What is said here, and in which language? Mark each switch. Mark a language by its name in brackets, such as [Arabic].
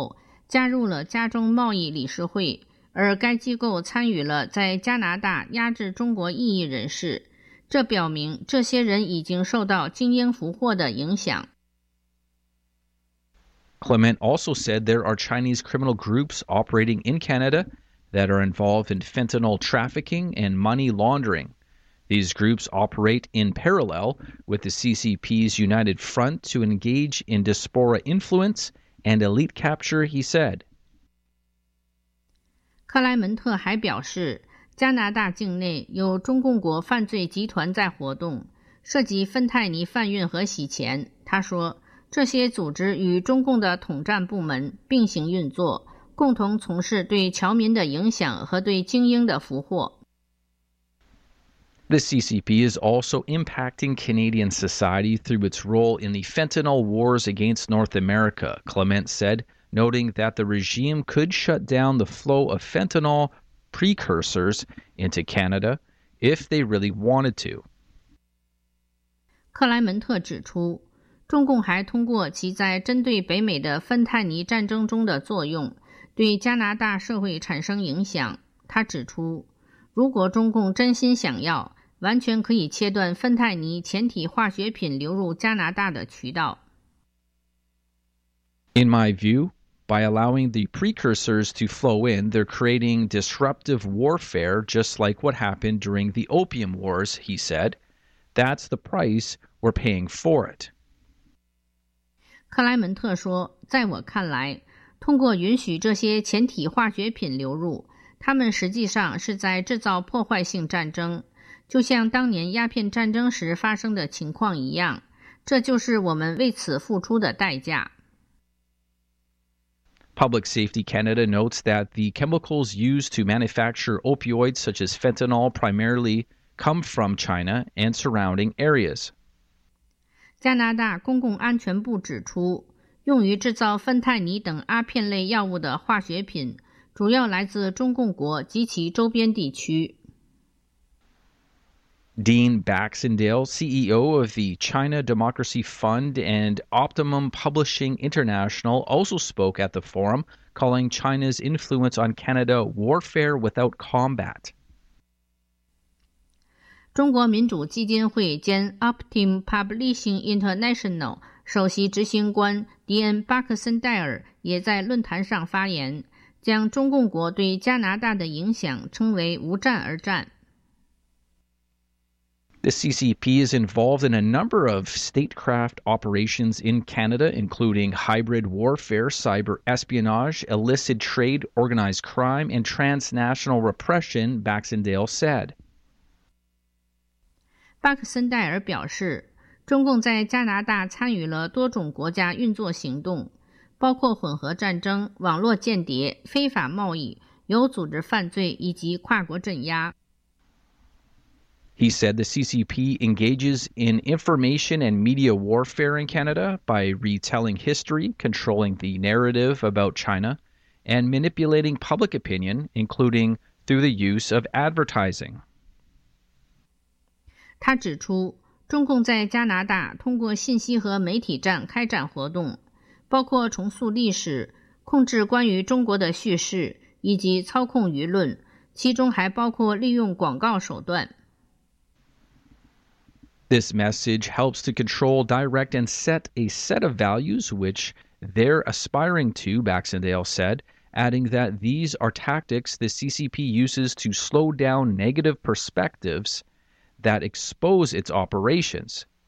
[Chinese] 在谈到中共如何影响加拿大政界人士和精英阶层时，克莱门特指出，一些高级加拿大政客在其职业生涯结束后加入了加州贸易理事会。而该机构参与了在加拿大压制中国异议人士，这表明这些人已经受到精英俘获的影响。Clement [English] also said there are Chinese criminal groups operating in Canada that are involved in fentanyl trafficking and money laundering. These groups operate in parallel with the CCP's United Front to engage in diaspora influence and elite capture, he said. [Chinese] 克莱门特还表示，加拿大境内有中共国犯罪集团在活动，涉及芬太尼贩运和洗钱。他说，这些组织与中共的统战部门并行运作，共同从事对侨民的影响和对精英的俘获。 [English] The CCP is also impacting Canadian society through its role in the fentanyl wars against North America, Clement said, noting that the regime could shut down the flow of fentanyl precursors into Canada if they really wanted to. [Chinese] 克莱门特指出，中共还通过其在针对北美的芬太尼战争中的作用，对加拿大社会产生影响。他指出，如果中共真心想要，完全可以切断芬太尼前体化学品流入加拿大的渠道。 [English] In my view, by allowing the precursors to flow in, they're creating disruptive warfare just like what happened during the opium wars, he said. That's the price we're paying for it. [Chinese] 克莱门特说，在我看来，通过允许这些前体化学品流入，他们实际上是在制造破坏性战争。就像当年鸦片战争时发生的情况一样，这就是我们为此付出的代价。 [English] Public Safety Canada notes that the chemicals used to manufacture opioids such as fentanyl primarily come from China and surrounding areas. [Chinese] 加拿大公共安全部指出，用于制造芬太尼等阿片类药物的化学品主要来自中共国及其周边地区。 [English] Dean Baxendale, CEO of the China Democracy Fund and Optimum Publishing International, also spoke at the forum, calling China's influence on Canada warfare without combat. [Chinese] 中国民主基金会兼 Optimum Publishing International 首席执行官 Dean Baxendale 也在论坛上发言，将中共国对加拿大的影响称为无战而战。 [English] The CCP is involved in a number of statecraft operations in Canada, including hybrid warfare, cyber espionage, illicit trade, organized crime, and transnational repression, Baxendale said. [Chinese] 巴克森戴尔表示，中共在加拿大参与了多种国家运作行动，包括混合战争、网络间谍、非法贸易、有组织犯罪以及跨国镇压。 [English] He said the CCP engages in information and media warfare in Canada by retelling history, controlling the narrative about China, and manipulating public opinion, including through the use of advertising. [Chinese] 他指出，中共在加拿大通过信息和媒体战开展活动，包括重塑历史、控制关于中国的叙事以及操控舆论，其中还包括利用广告手段。 [English] This message helps to control, direct, and set a set of values which they're aspiring to, Baxendale said, adding that these are tactics the CCP uses to slow down negative perspectives that expose its operations.